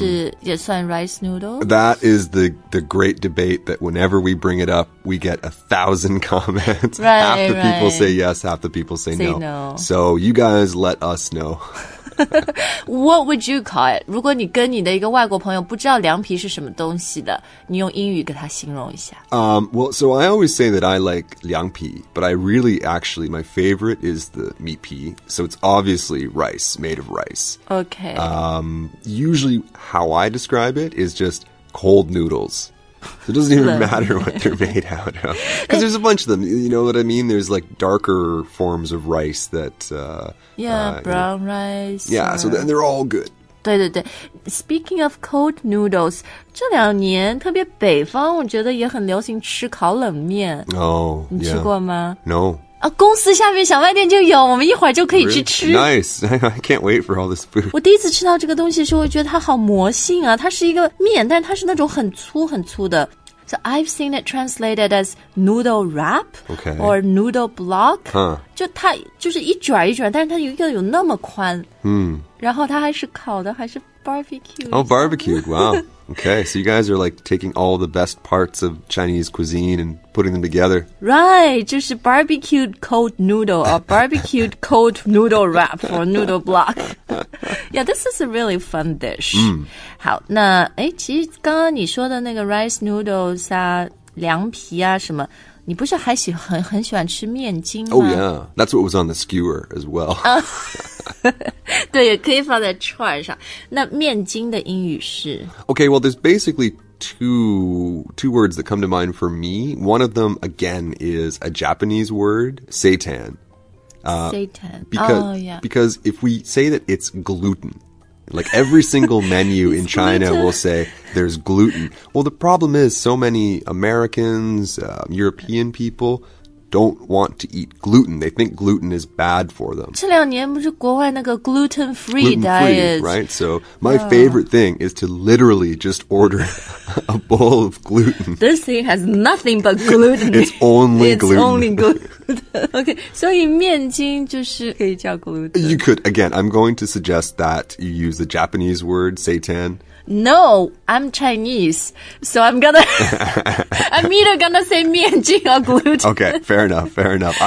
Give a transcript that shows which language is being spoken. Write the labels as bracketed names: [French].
[Chinese] 是也算 rice noodles? [English] That is the great debate that whenever we bring it up, we get 1,000 comments. Right, half the、 right. people say yes, half the people say, say no. So you guys let us know. What would you call it? [Chinese] 如果你跟你的一个外国朋友不知道凉皮是什么东西的,你用英语给他形容一下。 [English] Well, so I always say that I like 凉皮, but I really actually, my favorite is the 米皮, so it's obviously rice, made of rice. Okay. Usually how I describe it is just cold noodles. So、it doesn't even matter what they're made out of. Because there's a bunch of them. You know what I mean? There's like darker forms of rice that... brown rice. Yeah, so then they're all good. [Chinese] 对对对。 [English] Speaking of cold noodles, [Chinese] 这两年特别北方我觉得也很流行吃烤冷面。哦、oh, yeah. 你吃过吗 [English] No. [Chinese] 啊，公司下面小卖店就有，我们一会儿就可以去吃。 [English] Nice, I can't wait for all this food. [Chinese] 我第一次吃到这个东西的时候，我觉得它好魔性啊！它是一个面，但它是那种很粗很粗的。 [English] So I've seen it translated as noodle wrap, okay, or noodle block. Huh. [Chinese] 就它就是一卷一卷，但是它一个有那么宽。嗯。然后它还是烤的，还是 barbecue. [English] Oh, barbecue! Wow. Okay, so you guys are like taking all the best parts of Chinese cuisine and putting them together. Right, 就是 barbecued cold noodle or barbecued cold noodle wrap or noodle block. Yeah, this is a really fun dish.、 Mm. [Chinese] 好，那诶，其实刚刚你说的那个 rice noodles 啊，凉皮啊什么。你不是还喜欢很喜欢吃面筋吗 [English] Oh yeah, that's what was on the skewer as well. [Chinese] 对也可以放在串上。那面筋的英语是 [English] Okay, well there's basically two words that come to mind for me. One of them, again, is a Japanese word, seitan. Seitan, Because if we say that it's gluten, like every single menu in China will say... There's gluten. Well, the problem is so many Americans, European people don't want to eat gluten. They think gluten is bad for them. [Chinese] 这两年不是国外那个 gluten-free [English] diet? Right? So my favorite thing is to literally just order a bowl of gluten. This thing has nothing but gluten. It's only gluten. It's only gluten. [Chinese] Okay, 所以面筋就是可以叫 gluten. [English] You could. Again, I'm going to suggest that you use the Japanese word, seitan. No, I'm Chinese, so I'm gonna, I'm either gonna say 面筋 or gluten. Okay, fair enough, fair enough.